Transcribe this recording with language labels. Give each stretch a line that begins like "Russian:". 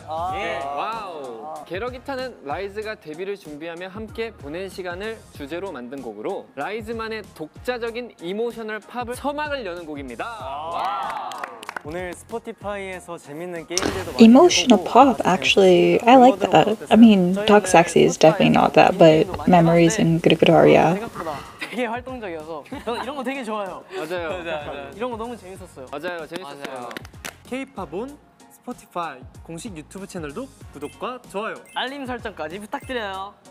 Korean: 아, 예. 와우! 게러기타는 RIIZE가 데뷔를 준비하며 함께 보낸 시간을 주제로 만든 곡으로 RIIZE만의 독자적인 이모셔널 팝을 서막을 여는 곡입니다. 와우. 오늘 스포티파이에서 재밌는 게임들도 많이 보고
English: Emotional pop, actually, I like that. I mean, Talk Sexy is definitely not that, but Memories and Good Guitar, yeah.
Korean: 되게 활동적이어서 저는 이런 거 되게 좋아요. 맞아요. 맞아요, 맞아요. 이런 거 너무 재밌었어요. 맞아요, 재밌었어요. K-POP on Spotify 공식 유튜브 채널도 구독과 좋아요 알림 설정까지 부탁드려요